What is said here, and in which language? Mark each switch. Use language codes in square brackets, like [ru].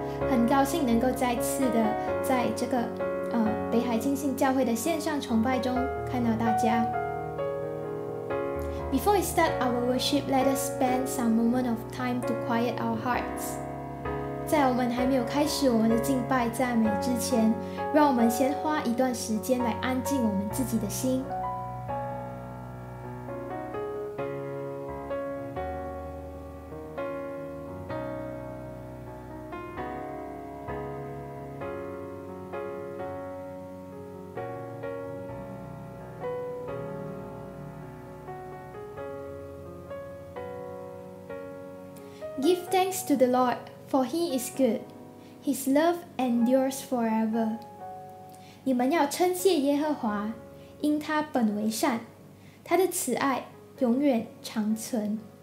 [zh] 很高兴能够再次的在这个北海浸信教会的线上崇拜中看到大家。 [en] Before we start our worship, let us spend some moment of time to quiet our hearts. [zh] 在我们还没有开始我们的敬拜赞美之前，让我们先花一段时间来安静我们自己的心。 [en] Give thanks to the Lord, for He is good. His love endures forever. [zh] 你们要称谢耶和华，因他本为善，他的慈爱永远长存。